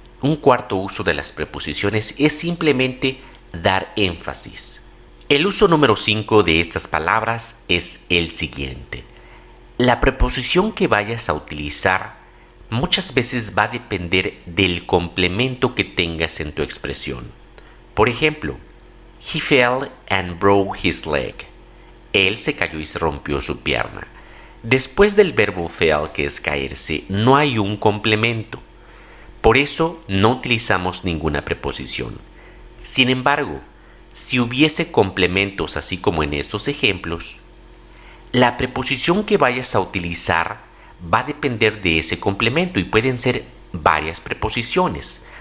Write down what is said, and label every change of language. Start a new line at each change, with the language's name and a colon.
Spanish: Un cuarto uso de las preposiciones es simplemente dar énfasis. El uso número 5 de estas palabras es el siguiente. La preposición que vayas a utilizar muchas veces va a depender del complemento que tengas en tu expresión.
English: Por ejemplo, he fell and broke his leg.
Spanish: Él se cayó y se rompió su pierna. Después del verbo fell, que es caerse, no hay un complemento. Por eso no utilizamos ninguna preposición. Sin embargo, si hubiese complementos así como en estos ejemplos, la preposición que vayas a utilizar va a depender de ese complemento y pueden ser varias preposiciones.